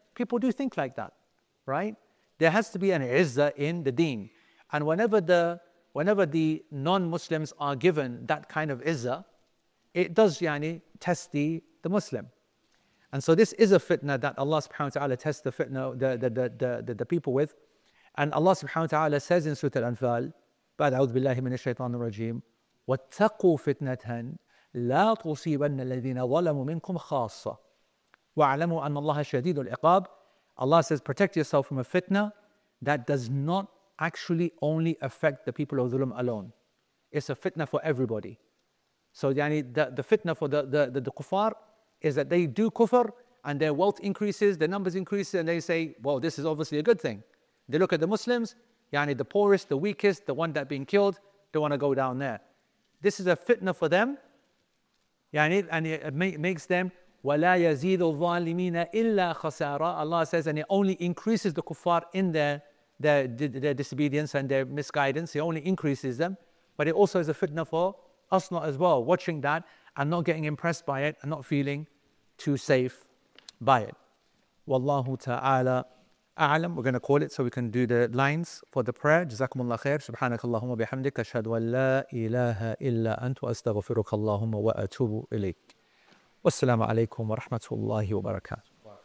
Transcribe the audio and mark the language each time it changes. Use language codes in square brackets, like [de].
[en] People do think like that, right? There has to be an izzah in the deen. And whenever the non-Muslims are given that kind of izzah, it does yani test the Muslim. And so this is a fitna that Allah subhanahu wa ta'ala tests the fitna, the people with. And Allah subhanahu wa ta'ala says in Surah Al-Anfal, [ar] بعد أعوذ بالله من الشيطان الرجيم واتقوا فتنة لا تصيبن الذين ظلموا منكم خاصة واعلموا أن الله شديد العقاب. [en] Allah says, protect yourself from a fitna that does not actually only affect the people of Dhulam alone. It's a fitna for everybody. So yani, the fitna for the kuffar is that they do kufr and their wealth increases, their numbers increase, and they say, well, this is obviously a good thing. They look at the Muslims, yani the poorest, the weakest, the one that being killed, they want to go down there. This is a fitna for them, yani, and it makes them [ar] وَلَا يَزِيدُ الظَّالِمِينَ إِلَّا خَسَارًا. [en] Allah says, and He only increases the kuffar in their disobedience and their misguidance. He only increases them. But it also is a fitna for us not as well, watching that and not getting impressed by it and not feeling too safe by it. [ar] وَاللَّهُ تَعَالَى أَعْلَمْ. [en] We're going to call it so we can do the lines for the prayer. [ar] جزاكم الله خير. سبحانك اللهم وبحمدك. أشهد أن لا إله إلا أنت وأستغفرك اللهم وأتوب إليك. والسلام عليكم ورحمة الله وبركاته.